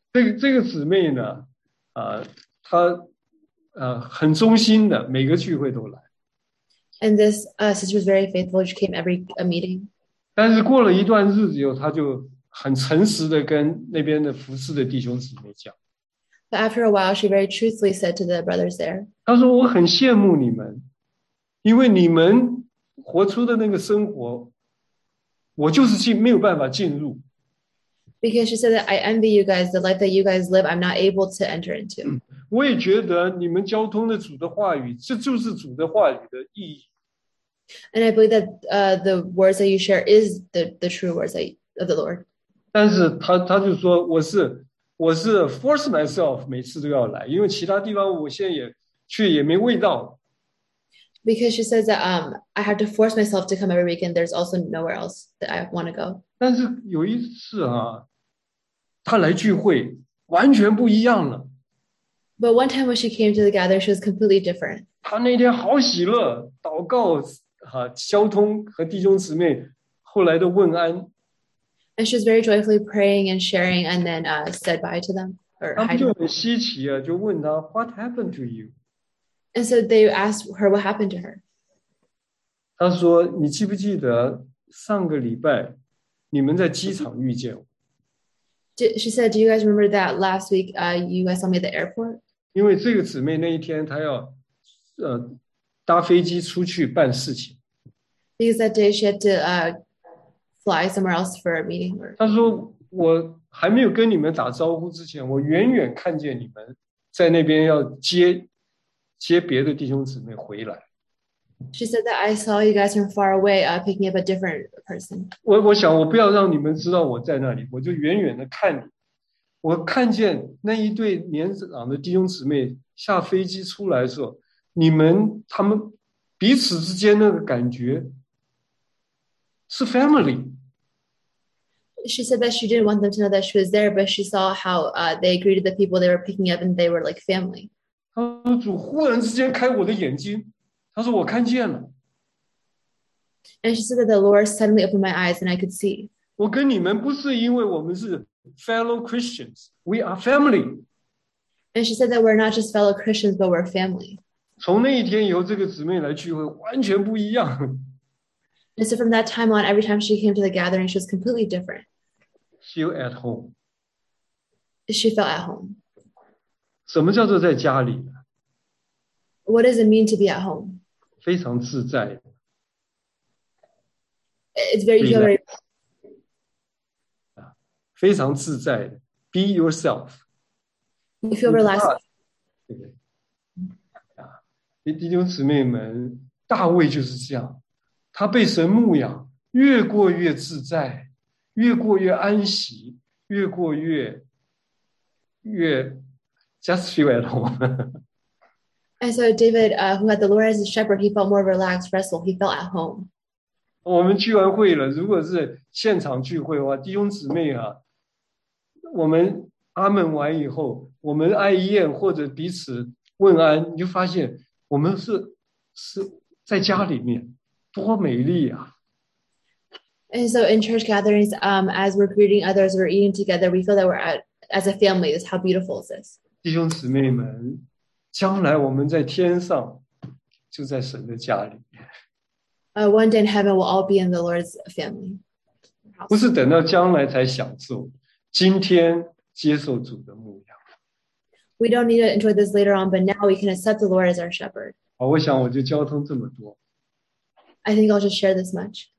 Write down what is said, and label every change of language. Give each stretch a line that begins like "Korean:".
Chinese: 这个姊妹呢，她很忠心的，每个聚会都来。
English: And this sister was very faithful. She came every a meeting.
Chinese: 但是过了一段日子以后，她就很诚实的跟那边的服侍的弟兄姊妹讲，
English: But after a while, she very truthfully said to the brothers there.
Chinese: 她说我很羡慕你们，因为你们活出的那个生活，我就是没有办法进入。
English: Because she said that I envy you guys, the life that you guys live, I'm not able to enter into.
Chinese: 我也觉得你们交通的主的话语，这就是主的话语的意义。
English: And I believe that the words that you share is the true words that, of the Lord.
Chinese: 但是他就说我是
English: force myself
Chinese: 每次都要来，因为其他地方我现在也去也没味道。
English: Because she says that I have to force myself to come every week, and there's also nowhere else that I want to go.
Chinese: 但是有一次啊，他来聚会完全不一样了。
English: But one time when she came to the gathering, she was completely different.
Chinese: 他那天好喜乐，祷告交通和弟兄姊妹后来的问安。
English: And she was very joyfully praying and sharing, and then said bye to them or
Chinese: 他们
English: hi to
Chinese: 就
English: them.
Chinese: 很稀奇啊，就问他
English: "What happened to you？" And so they asked her what happened to her.
Chinese: 他说："你记不记得上个礼拜你们在机场遇见
English: She said, "Do you guys remember that last week? You guys saw me at the airport." ？”
Chinese: 因为这个姊妹那一天她要搭飞机出去办事情。
English: Because that day she had to fly somewhere else for a meeting. Or
Chinese: 她说："我。" 还没有跟你们打招呼之前，我远远看见你们在那边要接别的弟兄姊妹回来。
English: she said that I saw you guys from far away, picking up a different person.
Chinese: 我想我不要让你们知道我在那里，我就远远的看你。我看见那一对年长的弟兄姊妹下飞机出来的时候，他们彼此之间那个感觉是 family。
English: She said that she didn't want them to know that she was there, but she saw how they greeted the people they were picking up, and they were like family.
Chinese: 他说："主忽然之间开我的眼睛，他说我看见了，
English: And she said that the Lord suddenly opened my eyes, and I could see.
Chinese: 我跟你们不是因为我们是
English: fellow Christians，we are family。 And she said that we're not just fellow Christians, but we're family.
Chinese: 从那一天以后，这个姊妹来聚会完全不一样。
English: And so from that time on, every time she came to the gathering, she was completely different. Feel at home。 She felt at home.
Chinese: 什么叫做在家里呢？
English: What does it mean to be at home?
Chinese: 非常自在的
English: It's very, feel very.
Chinese: 非常自在的，
English: be yourself， You feel
Chinese: 你
English: relaxed.
Chinese: 弟兄姊妹们，大卫就是这样，他被神牧养，越过越自在，越过越安息，越过越。
English: Just feel at home. And so David, who had the Lord as his shepherd, he felt more relaxed, restful. He felt at home.
Chinese: 我们聚完会了，如果是现场聚会的话，弟兄姊妹啊，我们阿门完以后，我们挨一宴或者彼此问安，你就发现我们是在家里面，多美丽啊！
English: And so in church gatherings, as we're greeting others, we're eating together, we feel that we're at, as a family. That's how beautiful is this?
Chinese: 弟兄姊妹们，将来我们在天上，就在神的家里面。
English: One day in heaven, we'll all be in the Lord's family
Chinese: 不是
English: house.
Chinese: 等到将来才享受，今天接受主的牧
English: We don't need to enjoy this later on, but now we can accept the Lord as our shepherd.
Chinese: 养。我想我就交通这么多。
English: I think I'll just share this much.